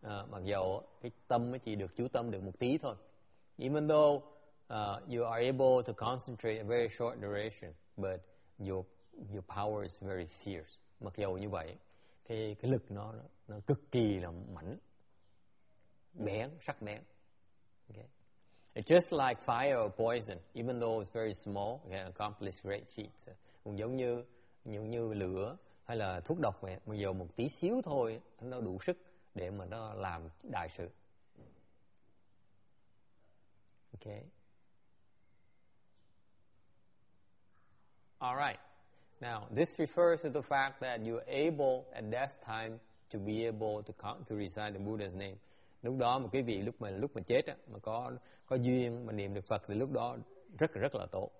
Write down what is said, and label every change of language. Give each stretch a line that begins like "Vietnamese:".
Vietnamese: Mặc dù cái tâm mới chỉ được chú tâm được một tí thôi.
English: Even though you are able to concentrate a very short duration, but your power is very fierce.
Vietnamese: Mặc dù như vậy, cái lực nó cực kỳ là mạnh, bén, sắc bén. Okay.
English: It's just like fire or poison, even though it's very small, it can accomplish great feats.
Vietnamese: Cũng giống như lửa hay là thuốc độc vậy, mặc dù một tí xíu thôi nó đủ sức để mà nó làm đại sự. Okay. All right.
English: Now, this refers to the fact that you're able at death time to be able to recite the Buddha's name.
Vietnamese: Lúc đó mà quý vị lúc mà chết á, mà có duyên mà niệm được Phật thì lúc đó rất rất là tốt.